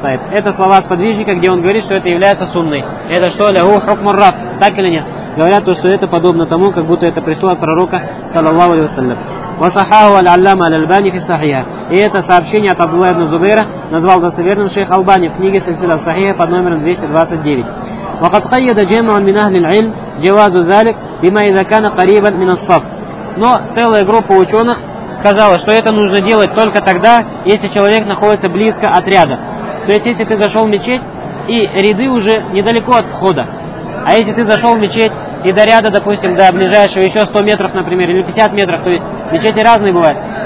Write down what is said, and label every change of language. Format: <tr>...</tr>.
<ru>Это слова сподвижника, где он говорит, что это является сунной. Это что,</ru> <ar>ляху хукмур раф?</ar> <ru>Так или нет? Говорят, что это подобно тому, как будто это пришло от пророка, саллаллаху алейхи ва саллям.</ru> <ar>Васахаху аль-Аллама аль-Альбани фи сахиха.</ar> <ru>И это сообщение от Абдулла ибн Зубейра назвал достоверным шейх Албани в книге Сильсила Сахиха под номером 229.</ru> <ar>وقد قيد جمع من اهل العلم جواز ذلك بما اذا كان قريبا من الصف.</ar> <ru>Но целая группа ученых сказала, что это нужно делать только тогда, если человек находится близко от ряда. То есть если ты зашел в мечеть и ряды уже недалеко от входа. А если ты зашел в мечеть и до ряда, допустим, до ближайшего еще 100 метров, например, или 50 метров, то есть мечети разные бывают.</ru>